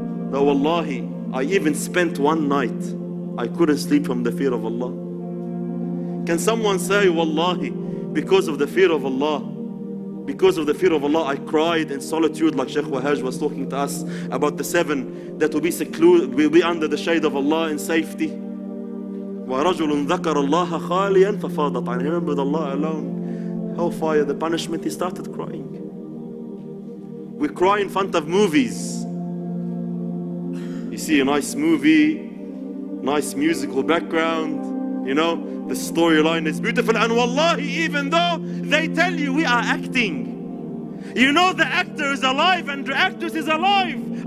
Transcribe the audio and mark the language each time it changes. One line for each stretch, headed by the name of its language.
English: that wallahi, I even spent one night, I couldn't sleep from the fear of Allah. Can someone say, wallahi, because of the fear of Allah, because of the fear of Allah, I cried in solitude, like Sheikh Wahaj was talking to us about the seven that will be secluded, will be under the shade of Allah in safety.
Arabic: وَرَجُلٌ ذَكَرَ اللَّهَ خَالِيًا فَفَاضَتْ عَنْهُ.
English: He remembered Allah alone. Hellfire, the punishment, he started crying. We cry in front of movies. You see a nice movie, nice musical background, you know, the storyline is beautiful. And wallahi, even though they tell you we are acting, you know the actor is alive and the actress is alive.